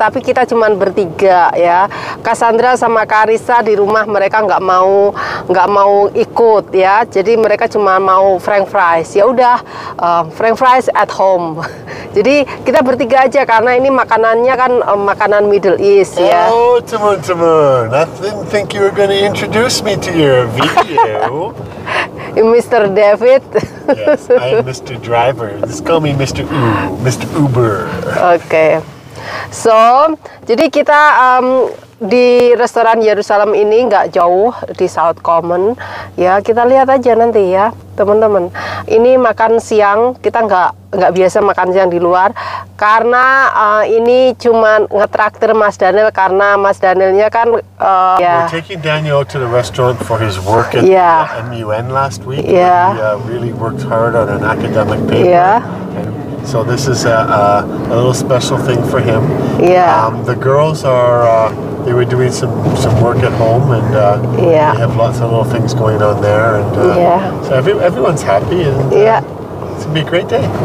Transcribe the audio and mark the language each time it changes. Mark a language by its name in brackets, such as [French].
[Indonesian] Tapi kita cuma bertiga ya. Cassandra sama Karissa di rumah mereka nggak mau ikut ya. Jadi mereka cuma mau French fries. Ya udah, [English] French fries at home. [Indonesian] Jadi kita bertiga aja karena ini makanannya kan makanan Middle East ya. Oh teman-teman, [English] I didn't think you were going to introduce me to your video. Mr. David. Yes, I'm Mr. Driver. Just call me Mr. Uber. [Indonesian] Okay. So, jadi kita di restoran Yerusalem ini nggak jauh di South Common. Ya kita lihat aja nanti ya. Teman-teman, ini makan siang, kita nggak biasa makan siang di luar karena ini cuma ngetraktir Mas Daniel karena Mas Danielnya kan [English] We're taking Daniel to the restaurant for his work at MUN last week. Yeah. He really worked hard on an academic paper. Yeah. So this is a little special thing for him. Yeah. The girls are they were doing some work at home and they have lots of little things going on there and so everyone's happy and it's gonna be a great day.